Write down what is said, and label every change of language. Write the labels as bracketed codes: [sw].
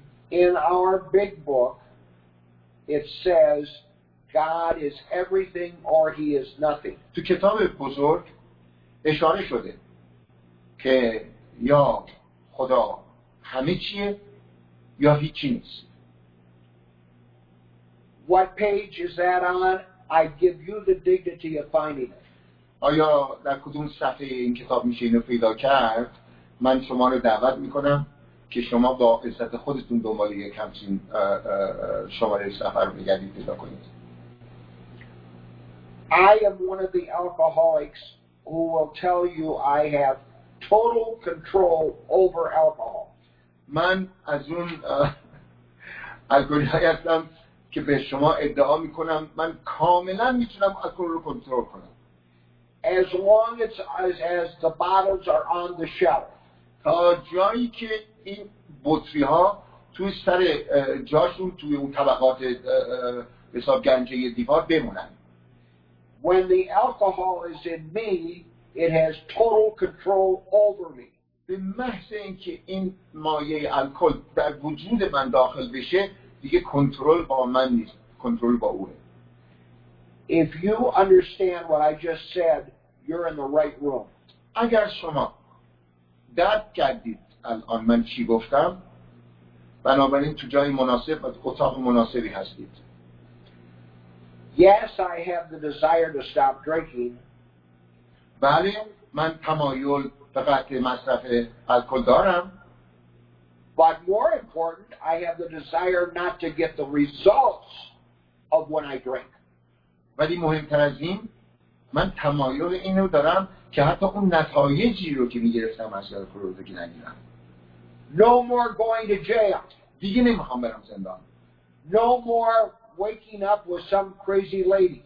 [en] In our big book it says God is everything or he is nothing. [fa] تو کتاب بزرگ اشاره شده که یا خدا همه چیه یا هیچی نیست. [en] What page is that on? I give you the dignity of finding it. [fa] آیا در کدوم صفحه این کتاب میشه اینو پیدا کرد؟ من شما رو دعوت میکنم که شما با عزت خودتون دنبال یک همچین شماره صفحه رو بگردید پیدا کنید. [en] I am one of the alcoholics who will tell you I have total control over alcohol. [fa] من از اون الکلی هستم که به شما ادعا میکنم من کاملا میتونم الکل رو کنترل کنم. [en] As long as the bottles are on the shelf. [fa] تا جایی که این بطری ها توی سر جاشون توی اون طبقات حساب گنجه دیوار بمونن. [en] When the alcohol is in me, it has total control over me. [fa] به محض اینکه این مایه الکل در وجود من داخل بشه دیگه کنترل با من نیست، کنترل با اوه. [en] If you understand what I just said, you're in the right room. [fa] اگر شما درک کردید الان من چی گفتم، بنابراین تو جای مناسب و اتاق مناسبی هستید. [en] Yes, I have the desire to stop drinking. [fa] بله، من تمایل به قطع مصرف الکل دارم. [en] But more important, I have the desire not to get the results of when I drink. [fa] ولی مهمتر از این، من تمایل اینو دارم که حتی اون نتایجی رو که میگرفتم از الکل رو دیگه نگیرم. [en] No more going to jail. [fa] دیگه نمیخوام برم زندان. [en] No more waking up with some crazy lady.